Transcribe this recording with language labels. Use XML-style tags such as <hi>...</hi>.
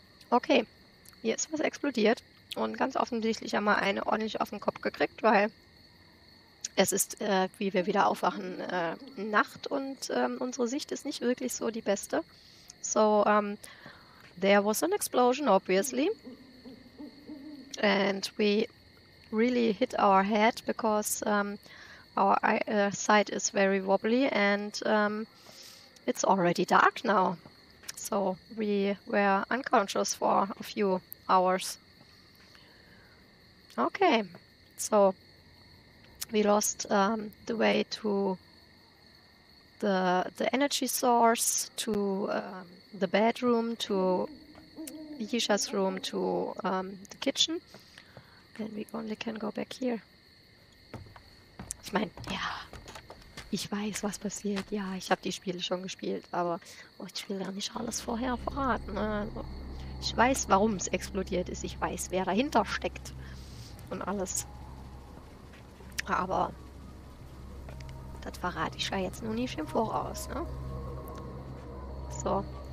<de>Okay. Hier ist was explodiert und ganz offensichtlich haben wir eine ordentlich auf den Kopf gekriegt, weil es ist, wie wir wieder aufwachen, Nacht und unsere Sicht ist nicht wirklich so die beste.</de> <en>So, there was an explosion, obviously. And we really hit our head, because our sight is very wobbly and it's already dark now. So, we were unconscious for a few hours. Okay, so we lost the way to the energy source, to the bedroom, to Yisha's room, to the kitchen, and we only can go back here.</en> <de>Ich meine, ja, ich weiß, was passiert. Ja, ich habe die Spiele schon gespielt, aber ich will ja nicht alles vorher verraten. Also, ich weiß, warum es explodiert ist. Ich weiß, wer dahinter steckt. Und alles. Aber das verrate ich ja jetzt nur nicht im Voraus. Ne? So.</de>